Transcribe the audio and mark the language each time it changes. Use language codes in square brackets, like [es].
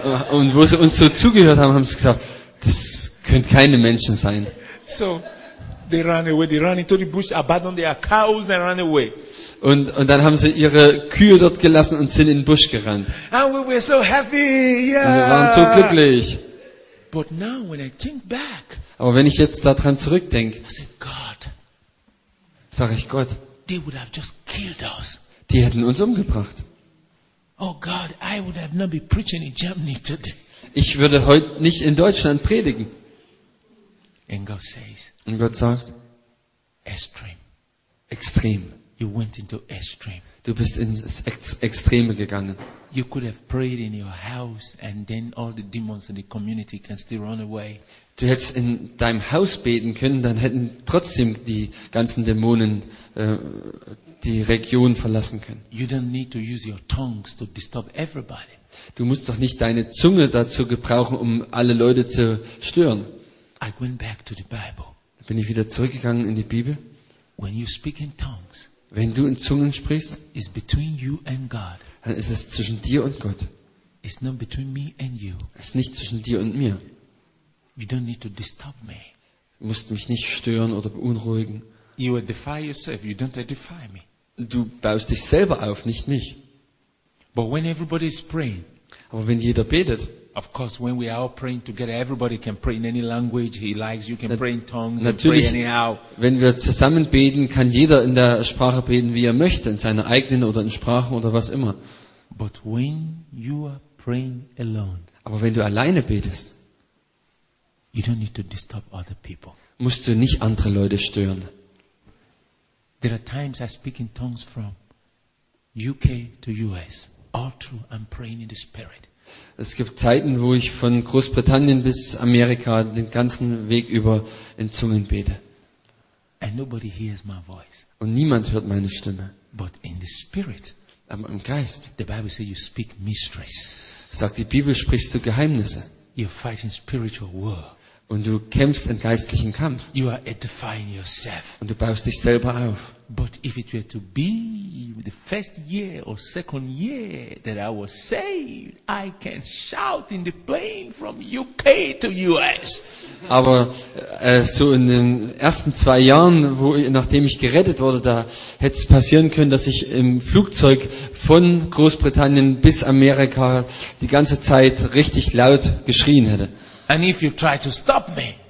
[de] Und wo sie uns so zugehört haben, haben sie gesagt, das können keine Menschen sein. [en] So, they ran away, they ran into the bush, abandoned their cows and ran away. [de] Und dann haben sie ihre Kühe dort gelassen und sind in den Busch gerannt. [en] And we were so happy, yeah. [de] Und wir waren so glücklich. [en] But now, when I think back, [de] aber wenn ich jetzt daran zurückdenke, [en] I said, God, [de] sag ich Gott, [en] they would have just killed us. [de] Die hätten uns umgebracht. [en] Oh God, I would have not been preaching in Germany today. [de] Ich würde heute nicht in Deutschland predigen. [en] And God says, [de] und Gott sagt, [en] extrem. You went into extreme. [de] Du bist ins Extreme gegangen. [en] You could have prayed in your house and then all the demons in the community can still run away. [de] Du hättest in deinem Haus beten können, dann hätten trotzdem die ganzen Dämonen die Region verlassen können. [en] You don't need to use your tongues to disturb everybody. [de] Du musst doch nicht deine Zunge dazu gebrauchen, um alle Leute zu stören. [en] I went back to the Bible. [de] Bin ich wieder zurückgegangen in die Bibel? [en] When you speak in tongues, [de] wenn du in Zungen sprichst, [en] is between you and God. [de] Dann ist es zwischen dir und Gott. [en] It's not between me and you. [de] Es ist nicht zwischen dir und mir. [en] You don't need to disturb me. [de] Du musst mich nicht stören oder beunruhigen. [en] You edify yourself, you don't edify me. [de] Du baust dich selber auf, nicht mich. [en] But when everybody is praying, [de] aber wenn jeder betet, [en] of course, when we are all praying together, everybody can pray in any language he likes. You can pray in tongues and pray anyhow. [de] Wenn wir zusammen beten, kann jeder in der Sprache beten, wie er möchte, in seiner eigenen oder in Sprachen oder was immer. [en] But when you are praying alone, [de] aber wenn du alleine betest, [en] you don't need to disturb other people. [de] Musst du nicht andere Leute stören. [en] There are times I speak in tongues from UK to US, all through I'm praying in the Spirit. [de] Es gibt Zeiten, wo ich von Großbritannien bis Amerika den ganzen Weg über in Zungen bete. [en] And nobody hears my voice. [de] Und niemand hört meine Stimme. [en] But in the Spirit, [de] aber im Geist, [en] the Bible says you speak mysteries. [de] Sagt die Bibel, sprichst du Geheimnisse. [en] You're fighting spiritual war. [de] Und du kämpfst einen geistlichen Kampf. [en] You are edifying yourself. [de] Und du baust dich selber auf. [en] But if it were to be the first year or second year that I was saved, I can shout in the plane from UK to US. [de] Aber so in den ersten zwei Jahren, wo ich, nachdem ich gerettet wurde, da hätte es passieren können, dass ich im Flugzeug von Großbritannien bis Amerika die ganze Zeit richtig laut geschrien hätte. [en] And if you try to stop me,